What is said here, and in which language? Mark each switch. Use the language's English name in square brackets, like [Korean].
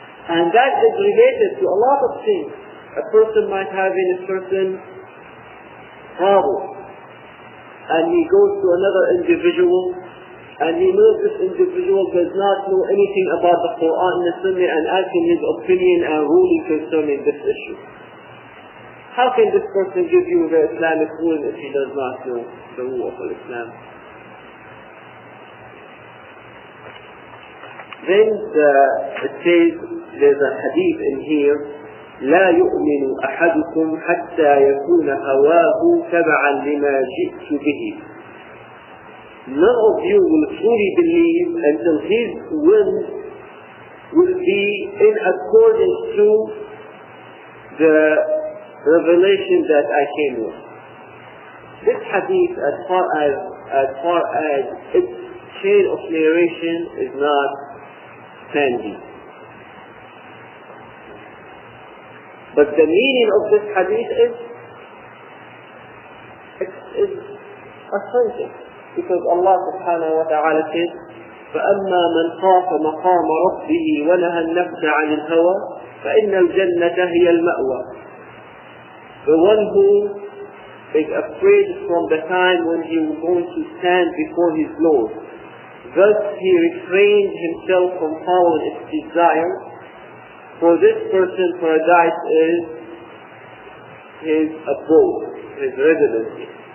[English] And that is related to a lot of things. A person might have in a certain problem and he goes to another individual and he knows this individual does not know anything about the Quran and the Sunnah and asking his opinion and ruling concerning this issue. How can this person give you the Islamic ruling if he does not know the rule of Islam? Then it says, there's a hadith in here [Arabic] لا يؤمن أحدكم حتى يكون هواه تبعا لما جئت به. [English] None of you will truly believe until his will will be in accordance to the revelation that I came with. This hadith, as far as its chain of narration, is not sandy. But the meaning of this hadith is, it's authentic. Because Allah subhanahu wa ta'ala says, [Arabic] فَأَمَّا مَنْ خَافَ مَقَامَ رَبِّهِ وَنَهَى النَّفْسَ عَنِ الْهَوَى فَإِنَّ الْجَنَّةَ هِيَ الْمَأْوَى. [English] The one who is afraid from the time when he was going to stand before his Lord, thus he refrained himself from following its desire, for this person, paradise is his abode, his residency.